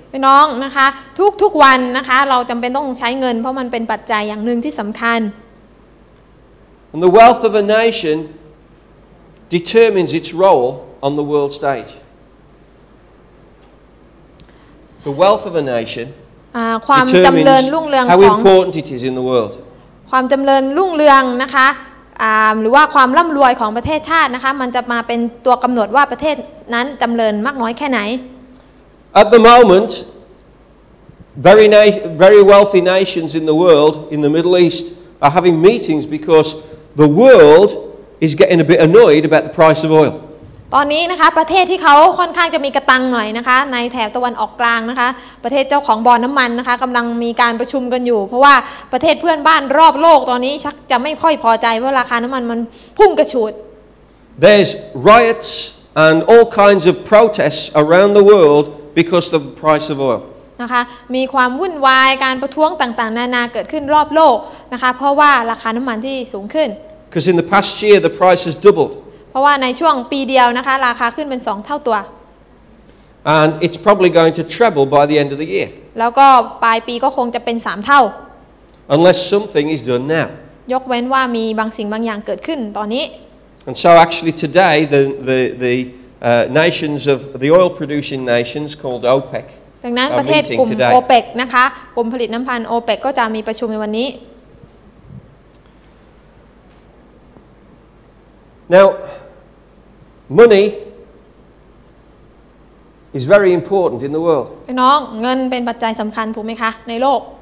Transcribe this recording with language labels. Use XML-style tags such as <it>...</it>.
<th>พี่น้องนะคะทุกๆวันนะคะเราจำเป็นต้องใช้เงินเพราะมันเป็นปัจจัยอย่างหนึ่งที่สำคัญ</th> <en>And the wealth of a nation determines its role on the world stage The wealth of a nation</en> <th>ความจำเริญรุ่งเรืองของ</th> <en>How important it is in the world</en> <th>ความจำเริญรุ่งเรืองนะคะหรือว่าความร่ำรวยของประเทศชาตินะคะมันจะมาเป็นตัวกำหนดว่าประเทศนั้นจำเริญมากน้อยแค่ไหน</th> <en>At the moment very wealthy nations in the world in the Middle East are having meetings because the world is getting a bit annoyed about the price of oil</en> <th>ตอนนี้นะคะประเทศที่เขาค่อนข้างจะมีกระตังหน่อยนะคะในแถบตะวันออกกลางนะคะประเทศเจ้าของบ่อน้ำมันนะคะกำลังมีการประชุมกันอยู่เพราะว่าประเทศเพื่อนบ้านรอบโลกตอนนี้ชักจะไม่ค่อยพอใจว่าราคาน้ำมันพุ่งกระฉูด</th> <en>There's riots and all kinds of protests around the world because of the price of oil</en> <th>นะคะมีความวุ่นวายการประท้วงต่างๆนานาเกิดขึ้นรอบโลกนะคะเพราะว่าราคาน้ำมันที่สูงขึ้น</th> <en>Because in the past year the price has doubled</en> <th>เพราะว่าในช่วงปีเดียวนะคะราคาขึ้นเป็น2เท่าตัว</th> <en>And it's probably going to treble by the end of the year</en> <th>แล้วก็ปลายปีก็คงจะเป็น3เท่า</th> <en>Unless something is done now</en> <th>ยกเว้นว่ามีบางสิ่งบางอย่างเกิดขึ้นตอนนี้</th> <en>And so actually today the nations of the oil producing nations called OPEC</en> <th>ดังนั้นประเทศกลุ่ม OPEC นะคะกลุ่มผลิตน้ำมัน OPEC ก็จะมีประชุมในวันนี้</th> <en>Now money is very important in the world</en> <th>น้องเงินเป็นปัจจัยสำคัญถูกไหมคะในโลก</th>